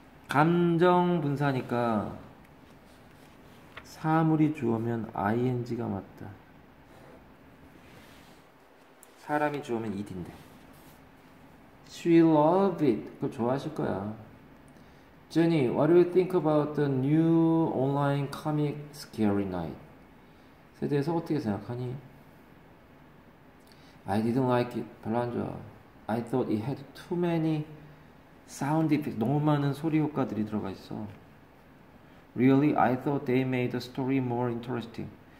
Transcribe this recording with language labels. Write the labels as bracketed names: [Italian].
[Korean] 감정 분사니까 사물이 주어면 ing가 맞다. 사람이 주어면 it인데. [English] She love it. [Korean] 그거 좋아하실 거야. [English] Jenny, what do you think about the new online comic Scary Night? [Korean] 에 대해서 어떻게 생각하니? [English] I didn't like it. [Korean] 별로 안 좋아. [English] I thought it had too many sound effects. [Korean] 너무 많은 소리 효과들이 들어가 있어. [English] Really? I thought they made the story more interesting.